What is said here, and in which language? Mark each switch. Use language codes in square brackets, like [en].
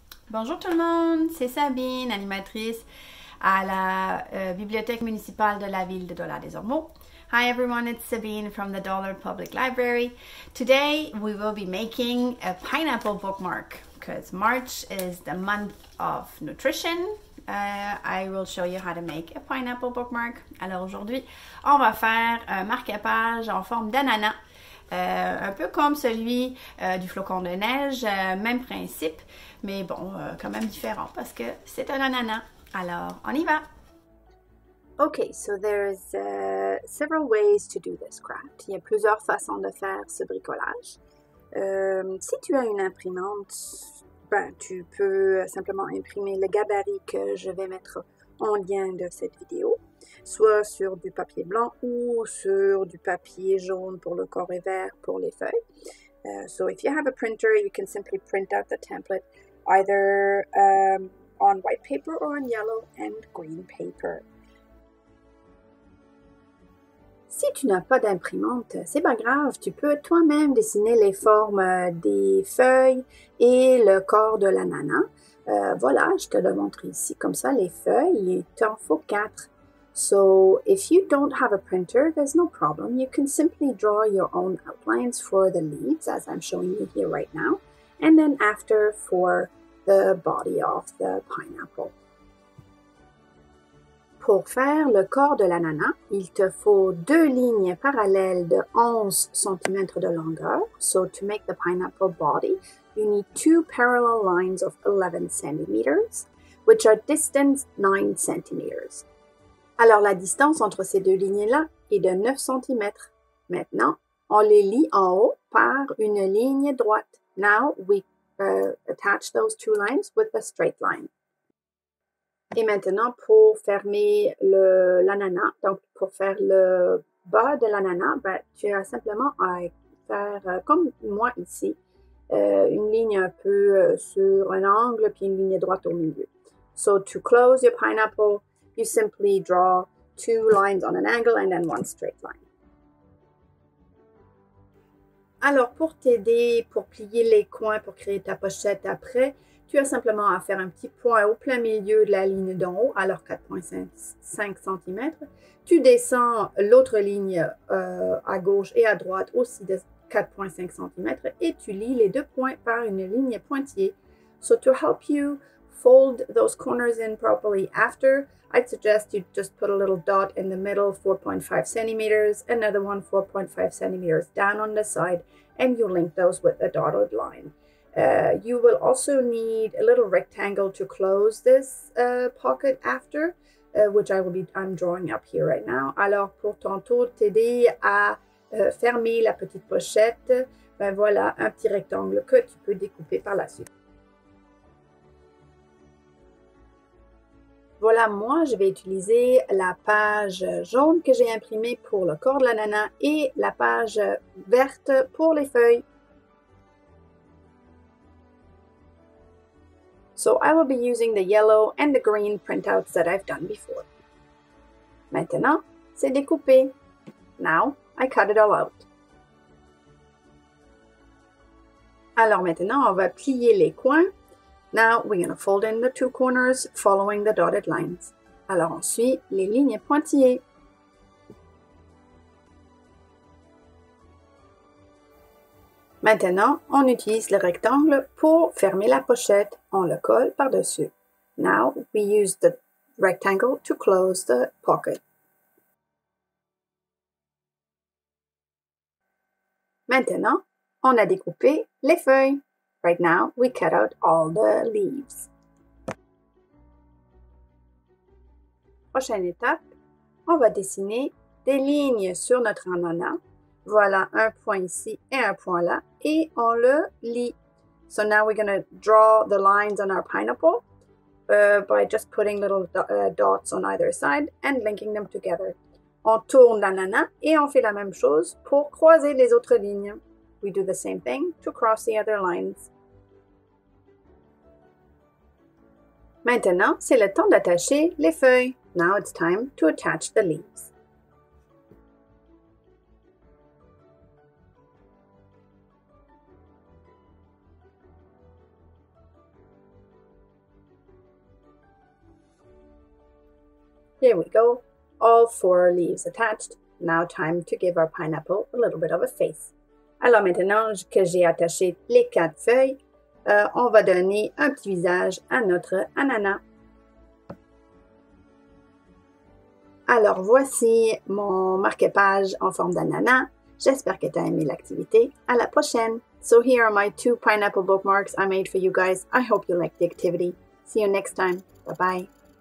[fr] Bonjour tout le monde, c'est Sabine, animatrice à la Bibliothèque municipale de la ville de Dollard-des-Ormeaux. [en] Hi everyone, it's Sabine from the Dollard Public Library. Today we will be making a pineapple bookmark because March is the month of nutrition. I will show you how to make a pineapple bookmark. [fr] Alors aujourd'hui, on va faire un marque-page en forme d'ananas. Un peu comme celui du flocon de neige, même principe, mais bon, quand même différent parce que c'est un ananas. Alors, on y va! [en] Okay, so there's several ways to do this craft. [fr] Il y a plusieurs façons de faire ce bricolage. Si tu as une imprimante, ben, tu peux simplement imprimer le gabarit que je vais mettre en lien de cette vidéo. Soit sur du papier blanc ou sur du papier jaune pour le corps et vert pour les feuilles. [en] So if you have a printer, you can simply print out the template either on white paper or on yellow and green paper. [fr] Si tu n'as pas d'imprimante, c'est pas grave, tu peux toi-même dessiner les formes des feuilles et le corps de l'ananas. Voilà, je te le montre ici. Comme ça, les feuilles, il t'en faut 4. [en] So, if you don't have a printer, there's no problem. You can simply draw your own outlines for the leaves, as I'm showing you here right now, and then after for the body of the pineapple. [fr] Pour faire le corps de l'ananas, il te faut deux lignes parallèles de 11 cm de longueur. [en] So, to make the pineapple body, you need two parallel lines of 11 cm, which are distance 9 cm. [fr] Alors, la distance entre ces deux lignes-là est de 9 cm. Maintenant, on les lie en haut par une ligne droite. [en] Now, we attach those two lines with a straight line. [fr] Et maintenant, pour fermer l'ananas, donc pour faire le bas de l'ananas, ben, tu as simplement à faire comme moi ici, une ligne un peu sur un angle, puis une ligne droite au milieu. [en] So, to close your pineapple, you simply draw two lines on an angle and then one straight line. [fr] Alors, pour t'aider, pour plier les coins, pour créer ta pochette après, tu as simplement à faire un petit point au plein milieu de la ligne d'en haut, alors 4,5 cm. Tu descends l'autre ligne à gauche et à droite, aussi de 4,5 cm, et tu lis les deux points par une ligne pointillée. [en] So, to help you fold those corners in properly after, I'd suggest you just put a little dot in the middle, 4.5 centimeters, another one 4.5 centimeters down on the side, and you link those with a dotted line. You will also need a little rectangle to close this pocket after, which I'm drawing up here right now. [fr] Alors, pour tantôt t'aider à fermer la petite pochette, ben voilà, un petit rectangle que tu peux découper par la suite. Voilà, moi, je vais utiliser la page jaune que j'ai imprimée pour le corps de l'ananas et la page verte pour les feuilles. [en] So, I will be using the yellow and the green printouts that I've done before. [fr] Maintenant, c'est découpé. [en] Now, I cut it all out. [fr] Alors maintenant, on va plier les coins. [en] Now, we're going to fold in the two corners following the dotted lines. [fr] Alors, on suit les lignes pointillées. Maintenant, on utilise le rectangle pour fermer la pochette. On le colle par-dessus. [en] Now, we use the rectangle to close the pocket. [fr] Maintenant, on a découpé les feuilles. [en] Right now, we cut out all the leaves. [fr] Prochaine étape, on va dessiner des lignes sur notre ananas. Voilà un point ici et un point là, et on le lit. [en] So now we're going to draw the lines on our pineapple by just putting little dots on either side and linking them together. [fr] On tourne l'ananas et on fait la même chose pour croiser les autres lignes. [en] We do the same thing to cross the other lines. [fr] Maintenant, c'est le temps d'attacher les feuilles. [en] Now it's time to attach the leaves. Here we go. All four leaves attached. Now time to give our pineapple a little bit of a face. [fr] Alors maintenant que j'ai attaché les quatre feuilles, on va donner un petit visage à notre ananas. Alors voici mon marque-page en forme d'ananas. J'espère que tu as aimé l'activité. À la prochaine! [en] So here are my two pineapple bookmarks I made for you guys. I hope you liked the activity. See you next time. Bye-bye.